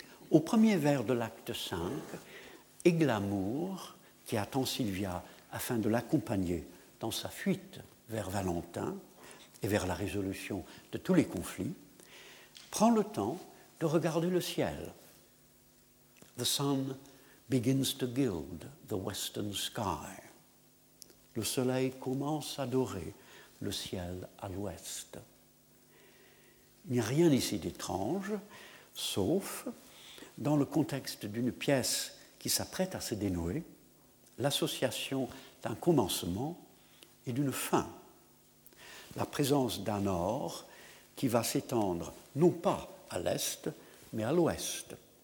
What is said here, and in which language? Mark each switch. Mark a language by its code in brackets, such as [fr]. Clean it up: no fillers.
[fr] Au premier vers de l'acte 5, Églamour, qui attend Sylvia afin de l'accompagner dans sa fuite vers Valentin et vers la résolution de tous les conflits, prend le temps de regarder le ciel. [en] The sun begins to gild the western sky. [fr] Le soleil commence à dorer le ciel à l'ouest. Il n'y a rien ici d'étrange, sauf, dans le contexte d'une pièce qui s'apprête à se dénouer, l'association d'un commencement et d'une fin, la présence d'un or qui va s'étendre non pas à l'est, mais à l'ouest.